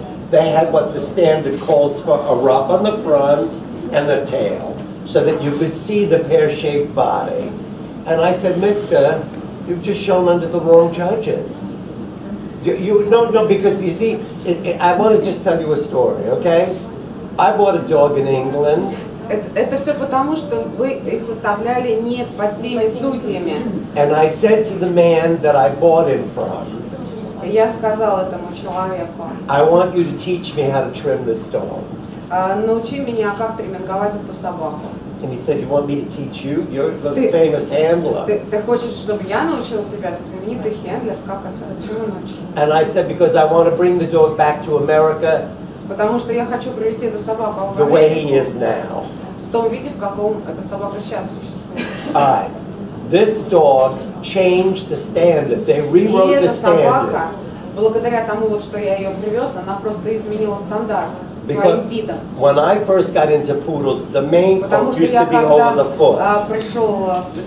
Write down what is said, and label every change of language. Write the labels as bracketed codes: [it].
[en] They had what the standard calls for a ruff on the front and the tail so that you could see the pear-shaped body. And I said, Mister, you've just shown under the wrong judges. Because you see, I want to just tell you a story, okay? I bought a dog in England. [ru] Это все потому, что вы их выставляли не под теми судьями. [en] And I said to the man that I bought him from. [ru] Я сказал этому человеку. [en] I want you to teach me how to trim this dog. [ru] Научи меня, как тримминговать эту собаку. [en] And he said, you want me to teach you? You're the famous handler. [ru] Ты хочешь, чтобы я научил тебя? Ты знаменитый хендлер. Как это? Чего научил? [en] And I said, because I want to bring the dog back to America. [ru] Потому что я хочу привести эту собаку в Америку. [en] The way he is now. [ru] В том виде, в каком эта собака сейчас существует. [en] This dog changed the standard. They rewrote the standard. [ru] И эта собака, благодаря тому, вот, что я ее привез, она просто изменила стандарт. [en] Because when I first got into poodles, the main coat used to be over the foot.